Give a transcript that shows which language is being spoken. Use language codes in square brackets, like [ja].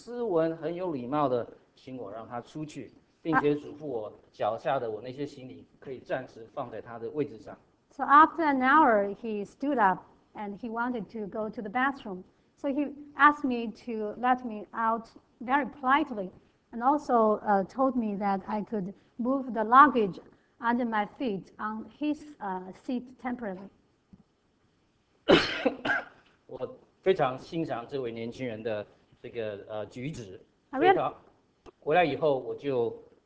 [zh] 一小时以后，他忽然要起来去洗手间，就很斯文、很有礼貌的请我让他出去。并且嘱咐我脚下的我那些行李可以暂时放在他的位置上。 [en] So after an hour, he stood up and he wanted to go to the bathroom. So he asked me to let me out very politely, and also told me that I could move the luggage under my feet on his seat temporarily. [zh] 我非常欣赏这位年轻人的这个举止。非常，回来以后我就。